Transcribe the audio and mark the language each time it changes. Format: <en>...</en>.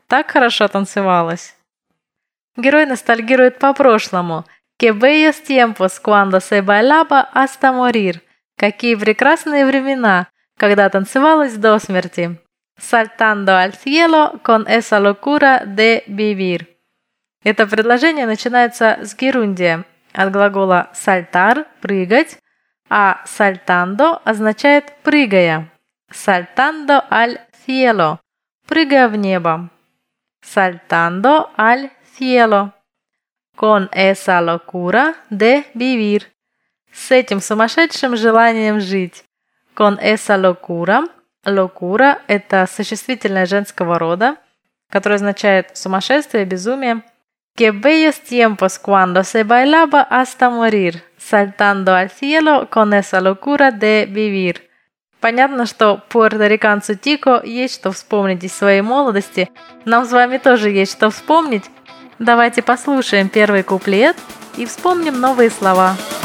<ru>Так хорошо танцевалось. Герой ностальгирует по прошлому.</ru> <es>«Que bellos tiempos cuando se bailaba hasta morir».</es> <ru>«Какие прекрасные времена, когда танцевалось до смерти».</ru> <es>«Saltando al cielo con esa locura de vivir».</es> <ru>Это предложение начинается с герундия от глагола «saltar» – «прыгать», а «saltando» означает «прыгая».</ru> <es>«Saltando al cielo» –</es> <ru>«прыгая в небо».</ru> <es>«Saltando al cielo» – «con esa locura de vivir» –</es> <ru>«с этим сумасшедшим желанием жить».</ru> <es>«Con esa locura»</es> <ru>– «locura» – это существительное женского рода, которое означает «сумасшествие», «безумие».</ru> <es>«Qué bellos tiempos cuando se bailaba hasta morir, saltando al cielo con esa locura de vivir».</es> <ru>Понятно, что пуэрториканцу Тико есть что вспомнить из своей молодости. Нам с вами тоже есть что вспомнить. Давайте послушаем первый куплет и вспомним новые слова.</ru>